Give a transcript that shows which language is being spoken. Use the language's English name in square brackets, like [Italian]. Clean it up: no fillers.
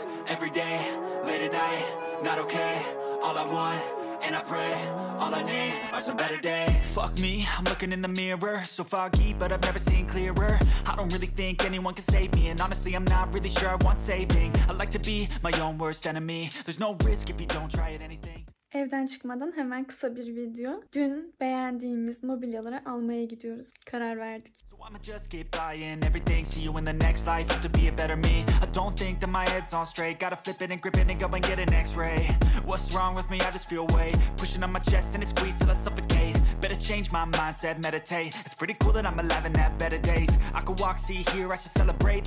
[English] Every day, late at night, not okay. All I want, and I pray, all I need are some better days. Fuck me, I'm looking in the mirror. So foggy, but I've never seen clearer. I don't really think anyone can save me. And honestly, I'm not really sure I want saving. I like to be my own worst enemy. There's no risk if you don't try it anything. [Turkish] Evden çıkmadan hemen kısa bir video. Dün beğendiğimiz mobilyaları almaya gidiyoruz. Karar verdik. [English] So I'ma just keep buying everything. See you in the next life. Have to be a better me. I don't think that my head's on straight. Gotta flip it and grip it and go and get an x-ray. What's wrong with me? I just feel weight. Pushing on my chest and it squeezes till I suffocate. Better change my mindset, meditate. It's pretty cool that I'm alive and have better days. I could walk, see, hear, I should celebrate.